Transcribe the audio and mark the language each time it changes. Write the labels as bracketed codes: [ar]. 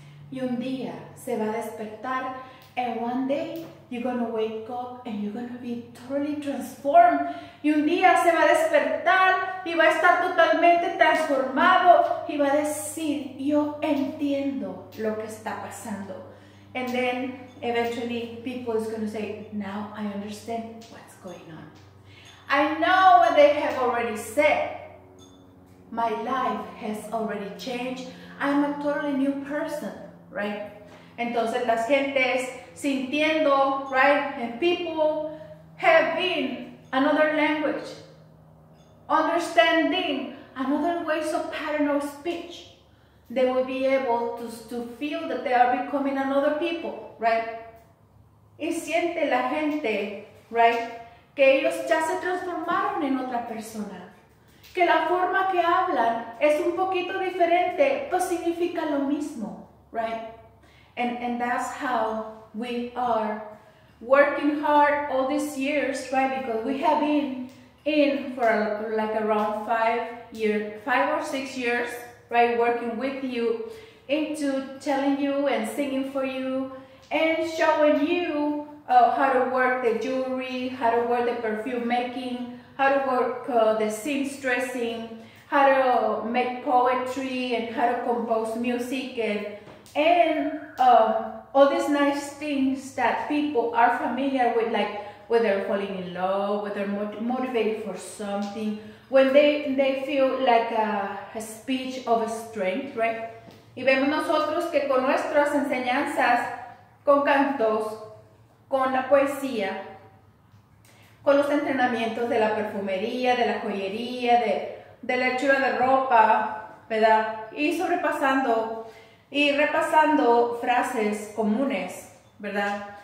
[es] Y un día se va a despertar, [en] and one day you're gonna wake up and you're gonna be totally transformed. [es] Y un día se va a despertar y va a estar totalmente transformado y va a decir, yo entiendo lo que está pasando. [en] And then eventually people is going to say, now I understand what's going on. I know what they have already said. My life has already changed. I'm a totally new person, right? [es] Entonces las gentes sintiendo, [en] right? And people have been another language, understanding another ways of pattern of speech. They will be able to feel that they are becoming another people, right? [es] Y siente la gente, right? Que ellos ya se transformaron en otra persona. Que la forma que hablan es un poquito diferente, pero significa lo mismo, right? [en] And that's how we are working hard all these years, right? Because we have been in for like around 5 years, 5 or 6 years, right, working with you, into telling you and singing for you and showing you how to work the jewelry, how to work the perfume making, how to work the seamstressing, how to make poetry and how to compose music and all these nice things that people are familiar with, like whether they're falling in love, whether they're motivated for something, when they feel like a speech of a strength, right? [es] Y vemos nosotros que con nuestras enseñanzas, con cantos, con la poesía, con los entrenamientos de la perfumería, de la joyería, de la hechura de ropa, ¿verdad? Y sobrepasando y repasando frases comunes, ¿verdad?